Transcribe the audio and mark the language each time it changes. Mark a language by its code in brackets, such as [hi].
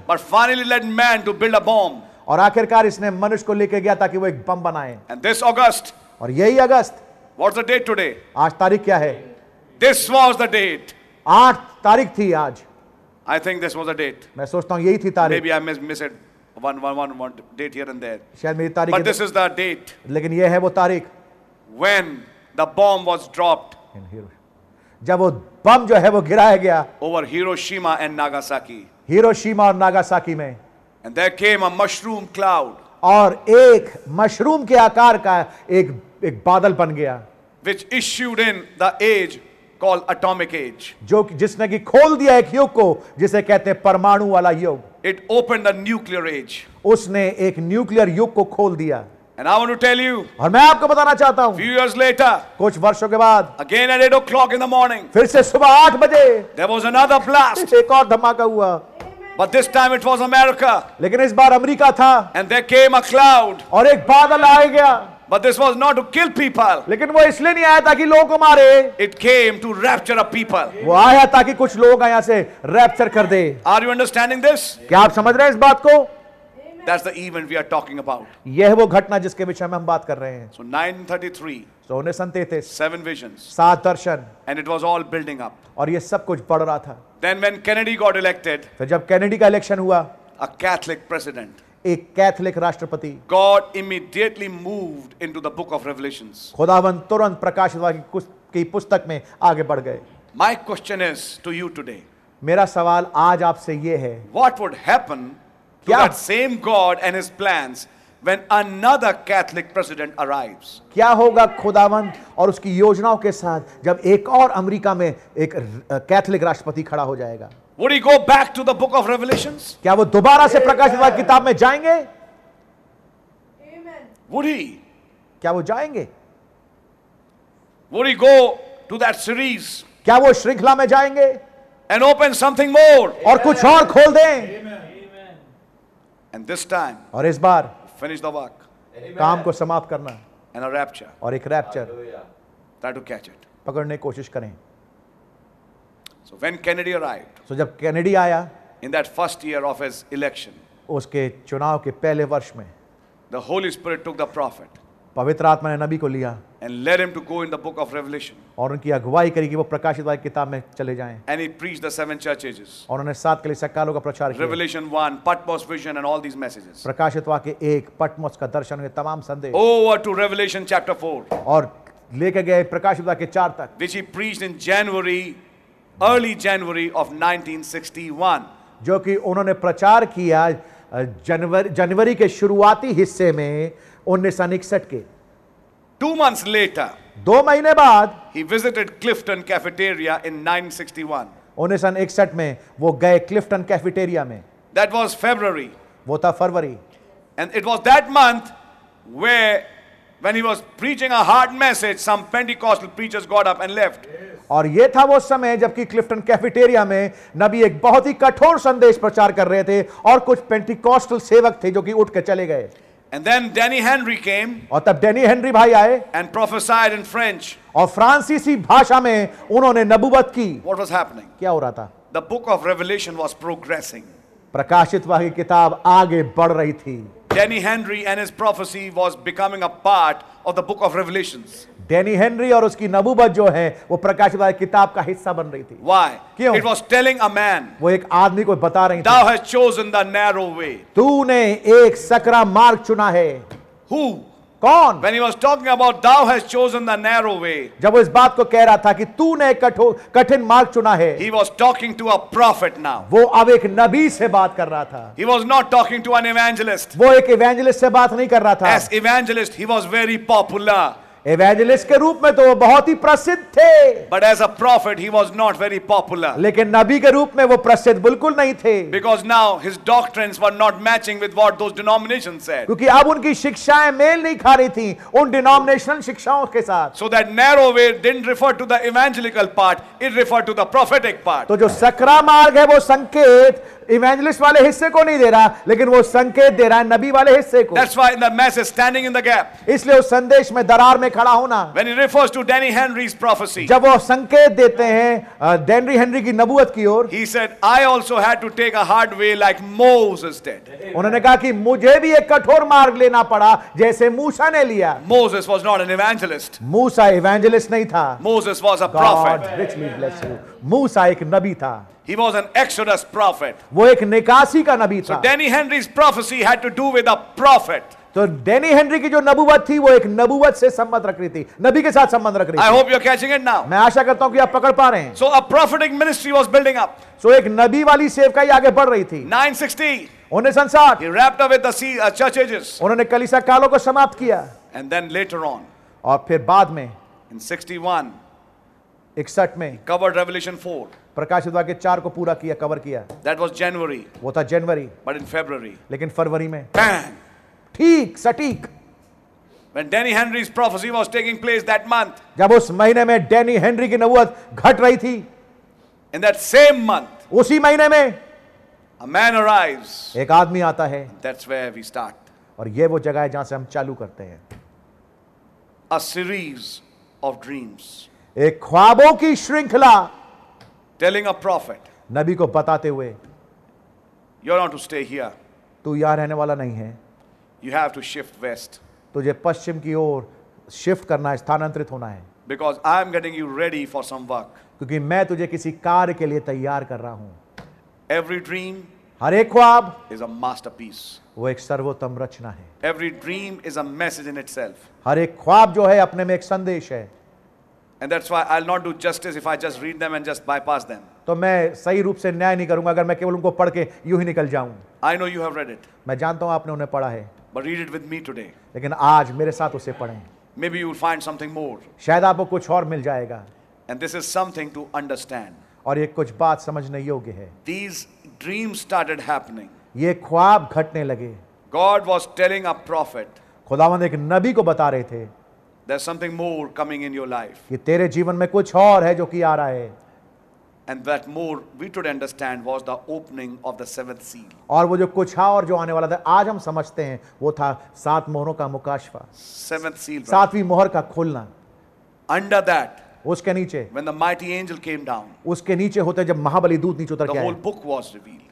[en] but finally led man to build a bomb [hi] और आखिरकार इसने मनुष्य को लेकर गया ताकि वो एक बम बनाए [en] and this August [hi] और यही अगस्त [en] what's the date today [hi] आज तारीख क्या है [en] this was the date [hi] 8 तारीख थी आज [en] I think this was a date [hi] मैं सोचता हूँ यही थी तारीख [en] Maybe I missed one date here and there. [hi] शायद मेरी तारीख [en] But this is the date. [hi] लेकिन ये है वो तारीख [en] When the bomb was dropped. [hi] In जब वो बम जो है वो गिराया गया [en] Over Hiroshima and Nagasaki. [hi] Hiroshima और Nagasaki में [en] And there came a mushroom cloud. [hi] और एक मशरूम के आकार का एक एक बादल बन गया [en] Which issued in the age. Called atomic age. [hi] जो जिसने कि खोल दिया एक युग को जिसे कहते हैं परमाणु वाला युग. [en] It opened a nuclear age. [hi] उसने एक न्यूक्लियर युग को खोल दिया. [en] And I want to tell you. [hi] और मैं आपको बताना चाहता हूँ. [en] Few years later. [hi] कुछ वर्षों के बाद. [en] Again at 8 o'clock in the morning. [hi] फिर से सुबह 8 बजे. [en] There was another blast. [hi] एक और धमाका हुआ. [en] But this time it was America. [hi] लेकिन इस बार अमेरिका था. [en] And there came a cloud. [hi] और एक बादल आ गया. [en] But this was not to kill people. [hi] लेकिन वो इसलिए नहीं आया ताकि लोगों को मारे. [en] It came to rapture a people. [hi] वो आया ताकि कुछ लोग यहाँ से rapture कर दे. [en] Are you understanding this? [hi] क्या आप समझ रहे हैं इस बात को? [en] That's the event we are talking about. यह वो घटना जिसके विषय में हम बात कर रहे हैं. So 933. So 933. Seven visions. [hi] सात दर्शन. [en] And it was all building up. [hi] और ये सब कुछ बढ़ रहा था. [en] Then when Kennedy got elected. [hi] तो जब Kennedy का इलेक्शन हुआ. [en] A Catholic president. [hi] एक कैथोलिक राष्ट्रपति. [en] God immediately moved into the book of Revelations. [hi] खुदावन तुरंत प्रकाशित वाक्य की पुस्तक में आगे बढ़ गए. [en] My question is to you today. [hi] मेरा सवाल आज आपसे ये है. [en] What would happen to that same God and His plans when another Catholic president arrives? [hi] क्या होगा खुदावन और उसकी योजनाओं के साथ जब एक और अमेरिका में एक कैथोलिक राष्ट्रपति खड़ा हो जाएगा? [en] Would he go back to the book of Revelations? [hi] क्या वो दोबारा से प्रकाशित वाली किताब में जाएंगे? [en] Amen. Would he? [hi] क्या वो जाएंगे? [en] Would he go to that series? [hi] क्या वो श्रृंखला में जाएंगे? [en] And open something more. [hi] और कुछ और खोल दें. [en] Amen. And this time. [hi] और इस बार. [en] Finish the work. Amen. [hi] काम को समाप्त करना. [en] And a rapture. [hi] और एक rapture. [en] Try to catch it. [hi] पकड़ने कोशिश करें. [en] So when Kennedy arrived. [hi] So जब Kennedy आया. [en] In that first year of his election. [hi] उसके चुनाव के पहले वर्ष में. [en] The Holy Spirit took the prophet. [hi] पवित्र आत्मा ने नबी को लिया. [en] And led him to go in the book of Revelation. [hi] और उनकी अगुवाई करी कि वो प्रकाशित वाली किताब में चले जाएं. [en] And he preached the seven churches. [hi] और उन्होंने सात कलीसिया कालों का प्रचार किया. [en] Revelation 1, Patmos vision and all these messages. [hi] प्रकाशित वाक्य एक, पटमोस का दर्शन के तमाम संदेश. [en] Over to Revelation chapter 4. [hi] और लेके गए प्रकाशित वाक्य चार तक. [en] Which he preached in January, early January of 1961. [hi] जो कि उन्होंने प्रचार किया जनवरी के शुरुआती हिस्से में 1961 के. [en] 2 months later, [hi] 2 महीने बाद, [en] he visited Clifton Cafeteria in 1961. [hi] में वो गए Clifton Cafeteria में. [en] That was February. [hi] वो था फरवरी. [en] And it was that month where, when he was preaching a hard message, some Pentecostal preachers got up and left. [hi] और ये था वो समय जबकि Clifton Cafeteria में नबी एक बहुत ही कठोर संदेश प्रचार कर रहे थे और कुछ Pentecostal सेवक थे जो कि उठ के चले गए. [en] And then Danny Henry came. [hi] और तब डेनी हेनरी भाई आए. [en] And prophesied in French. [hi] और फ्रांसीसी भाषा में उन्होंने नबुवत की. [en] What was happening? [hi] क्या हो रहा था? [en] The book of Revelation was progressing. [hi] प्रकाशित वाक्य किताब आगे बढ़ रही थी. [en] Danny Henry and his prophecy was becoming a part of the book of Revelations. [hi] Deny Henry और उसकी नबुवत जो है वो प्रकाशित वाक्य किताब का हिस्सा बन रही थी. [en] Why? [hi] क्यों? [en] It was telling a man. [hi] वो एक आदमी को बता रही [en] थी. Thou hast chosen the narrow way. [hi] तूने एक सकरा मार्ग चुना है. [en] Who? [hi] कौन? [en] When he was talking about thou hast chosen the narrow way. [hi] जब वो इस बात को कह रहा था कि तूने कठिन मार्ग चुना है. [en] He was talking to a prophet now. [hi] वो अब एक नबी से बात कर रहा था. [en] He was not talking to an evangelist. [hi] वो एक evangelist से बात नहीं कर रहा था. [en] As evangelist, he was very popular. [hi] Evangelist के रूप में तो वो बहुत ही प्रसिद्ध थे. [en] But as a prophet, he was not very popular. [hi] लेकिन नबी के रूप में वो प्रसिद्ध बिल्कुल नहीं थे. [en] Because now his doctrines were not matching with what those denominations said. [hi] क्योंकि अब उनकी शिक्षाएं मेल नहीं खा रही थीं उन denominational शिक्षाओं के साथ. [en] So that narrow way didn't refer to the evangelical part, it referred to the prophetic part. [hi] तो जो सकरा मार्ग है वो संकेत evangelist वाले हिस्से को नहीं दे रहा लेकिन वो संकेत दे रहा है नबी वाले हिस्से को. [en] That's why in the message, standing in the gap. [hi] इसलिए उस संदेश में दरार में खड़ा होना. [en] When he refers to Danny Henry's prophecy. [hi] जब वो संकेत देते हैं डेनरी हेनरी की नबुवत की ओर. [en] He said, I also had to take a hard way like Moses did. [hi] उन्होंने कहा कि मुझे भी एक कठोर मार्ग लेना पड़ा जैसे मूसा ने लिया. [en] Moses was not an evangelist. [hi] Musa evangelist नहीं था. [en] Moses was a prophet. God richly bless you. [hi] मूसा एक नबी था. [en] He was an Exodus prophet. [hi] वो एक निकासी का नबी था. [en] So Danny Henry's prophecy had to do with a prophet. [hi] तो डेनी हेनरी की जो नबुवत थी वो एक नबुवत से संबंध रख रही थी, नबी के साथ संबंध रख रही थी. [en] I hope you're catching it now. [hi] मैं आशा करता हूँ कि आप पकड़ पा रहे हैं. [en] So a prophetic ministry was building up. [hi] So एक नबी वाली सेवकाई आगे बढ़ रही थी. [en] 960. [hi] उन्हें संसार. [en] He wrapped up with the church ages. [hi] उन्होंने कलीसिया कालों को समाप्त किया. [en] And then later on. [hi] और फिर बाद में. [en] In 61. [hi] 61 में. [en] He covered Revelation 4. [hi] प्रकाशित वाक्य चार को पूरा किया, कवर किया. [en] That was January. [hi] वो था जनवरी. [en] But in February. [hi] लेकिन फरवरी में. [en] Bang. [hi] ठीक, सटीक. [en] When Danny Henry's prophecy was taking place that month. [hi] जब उस महीने में डेनी हेनरी की नबुवत घट रही थी. [en] In that same month. [hi] उसी महीने में. [en] A man arrives. [hi] एक आदमी आता है. [en] That's where we start. [hi] और ये वो जगह है जहां से हम चालू करते हैं. [en] A series of dreams. [hi] एक ख्वाबों की श्रृंखला. [en] Telling a prophet, [hi] नबी को बताते हुए, [en] you're not to stay here. [hi] तू यहाँ रहने वाला नहीं है. [en] You have to shift west. [hi] तुझे पश्चिम की ओर शिफ्ट करना है, स्थानांतरित होना है. [en] Because I am getting you ready for some work. [hi] क्योंकि मैं तुझे किसी कार्य के लिए तैयार कर रहा हूँ. [en] Every dream [hi] हर एक ख्वाब [en] is a masterpiece. [hi] वो एक सर्वोत्तम रचना है. [en] Every dream is a message in itself. [hi] हर एक ख्वाब जो है अपने में एक संदेश है. [en] And that's why I'll not do justice if I just read them and just bypass them. [hi] तो मैं सही रूप से न्याय नहीं करूंगा अगर मैं केवल उनको पढ़ के यूं ही निकल जाऊं. [en] I know you have read it. [hi] मैं जानता हूं आपने उन्हें पढ़ा है. [en] But read it with me today. [hi] लेकिन आज मेरे साथ उसे पढ़ें. [en] Maybe you will find something more. [hi] शायद आपको कुछ और मिल जाएगा. [en] And this is something to understand. [hi] और ये कुछ बात समझने योग्य है. [en] These dreams started happening. [hi] ये ख्वाब घटने लगे. [en] God was telling a prophet. [hi] खुदावंद एक नबी को बता रहे थे. [en] There's something more coming in your life. [hi] कि तेरे जीवन में कुछ और है जो कि आ रहा है. [en] And that more we should understand was the opening of the seventh seal. [hi] और वो जो कुछ और जो आने वाला था आज हम समझते हैं वो था सात मोहरों का मुकाशफा. [en] Seventh seal. [hi] सातवीं मोहर का खोलना. [en] Under that. [hi] उसके नीचे. [en] When the mighty angel came down. [hi] उसके नीचे होते जब महाबली दूत नीचे उतर गया. [en] The whole book was revealed.